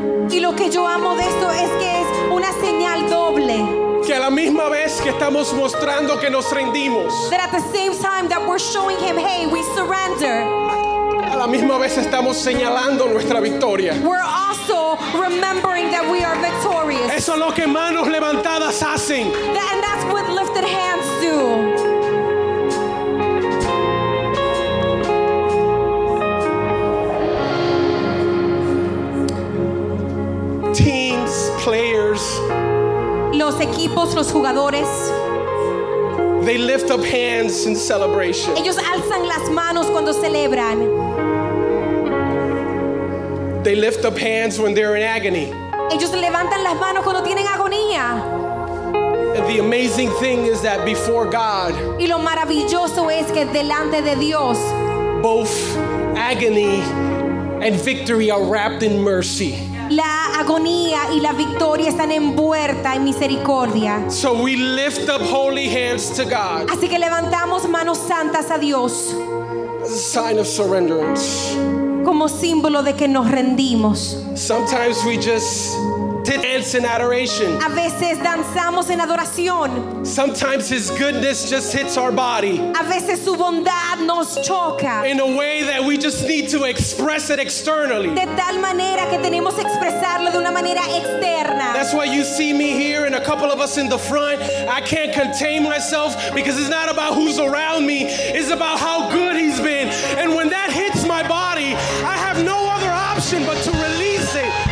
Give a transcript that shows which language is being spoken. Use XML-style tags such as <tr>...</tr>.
<es>Y lo que yo amo de esto es que es una señal doble. Que a la misma vez que estamos mostrando que nos rendimos.</es> <en>That at the same time that we're showing him, hey, we surrender.</en> <es>A la misma vez estamos señalando nuestra victoria.</es> <en>We're also remembering that we are victorious.</en> <es>Eso es lo que manos levantadas hacen.</es> <en>And that's what lifted hands do. Players,</en> <es>los equipos, los jugadores,</es> <en>they lift up hands in celebration.</en> <es>Ellos alzan las manos cuando celebran.</es> <en>They lift up hands when they're in agony.</en> <es>Ellos levantan las manos cuando tienen agonía.</es> <en>And the amazing thing is that before God,</en> <es>y lo maravilloso es que delante de Dios,</es> <en>both agony and victory are wrapped in mercy.</en> <es>La agonía y la victoria están envuelta en misericordia.</es> <en>So we lift up holy hands to God.</en> <es>Así que levantamos manos santas a Dios.</es> <en>As a sign of surrenderance.</en> <es>Como símbolo de que nos rendimos.</es> <en>Sometimes we just dance in adoration.</en> <es>A veces danzamos en adoración.</es> <en>Sometimes his goodness just hits our body.</en> <es>A veces su bondad nos choca.</es> <en>In a way that we just need to express it externally.</en> <es>De tal manera que tenemos que expresarlo de una manera externa.</es> <en>That's why you see me here and a couple of us in the front. I can't contain myself because it's not about who's around me. It's about how good he's been. And when that hits my body, I have no other option but to release it.</en>